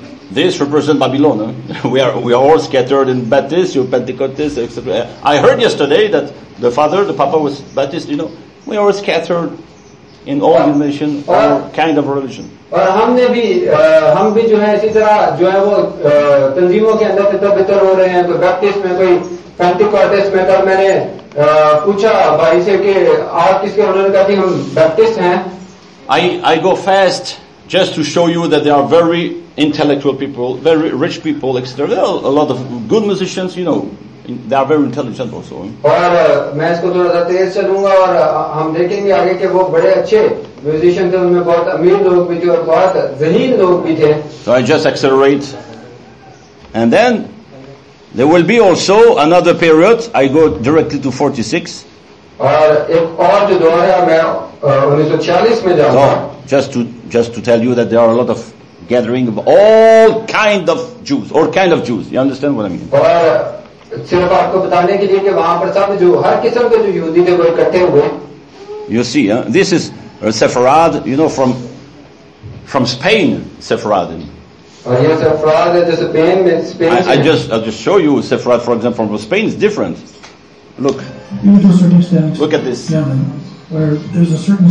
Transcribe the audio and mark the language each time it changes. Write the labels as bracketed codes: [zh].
[en] This represents Babylon. We are all scattered in Baptist, you Pentecostist, etc. I heard yesterday that the father, the papa was Baptist, you know, we are all scattered in all religion, all kind of religion. [hi] और हमने भी हम भी जो है इसी तरह जो है वो तंजीमों के अंदर तितर बितर हो रहे हैं, तो बैप्टिस्ट में कोई पेंटिकॉस्टेस में। कल मैंने पूछा भाई से कि आप किसके, उन्होंने कहा कि हम बैप्टिस्ट हैं। [en] I go fast just to show you that they are very intellectual people, very rich people, etc. There are a lot of good musicians, you know. They are very intelligent also. [hi] और मैं इसको थोड़ा सा तेज चलूंगा और हम देखेंगे आगे के वो बड़े अच्छे म्यूजिशियन थे, उनमें बहुत अमीर लोग भी थे और बहुत जहीन लोग भी थे। [en] So I just accelerate, and then there will be also another period. I go directly to 46. [hi] और एक और जो दौर है मैं 1946 में जाऊंगा। [en] So just to tell you that there are a lot of gathering of all kind of Jews, all kind of Jews. You understand what I mean? [hi] सिर्फ आपको बताने के लिए कि वहां पर सब जो हर किस्म के जो यहूदी थे वो इकट्ठे हुए। [en] You see, this is Sephard, you know, from Spain, Sephard. [hi] और ये सेफराद है जो स्पेन में, स्पेन से। [en] I just show you Sephard, for example, from Spain is different. Look. Even to a certain extent. Look at this. Yemen, where there's a certain